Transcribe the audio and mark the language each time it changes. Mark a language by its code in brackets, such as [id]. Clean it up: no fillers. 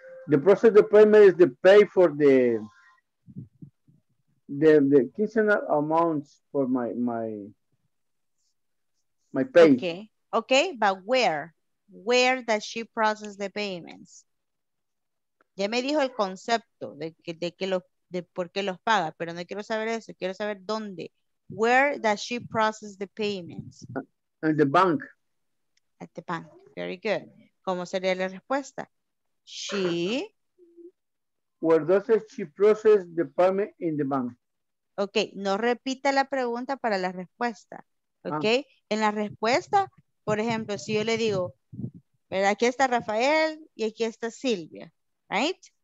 [en] The process of payment is the pay for the quincenal amounts for my pay. Okay, but where does she process the payments? [es] Ya me dijo el concepto de por qué los paga, pero no quiero saber eso, quiero saber dónde. [en] Where does she process the payments? At the bank. At the bank, very good. [es] ¿Cómo sería la respuesta? [en] She. Where does she process the payment in the bank? [es] Ok, no repita la pregunta para la respuesta. Ok, en la respuesta, por ejemplo, si yo le digo, aquí está Rafael y aquí está Silvia, right?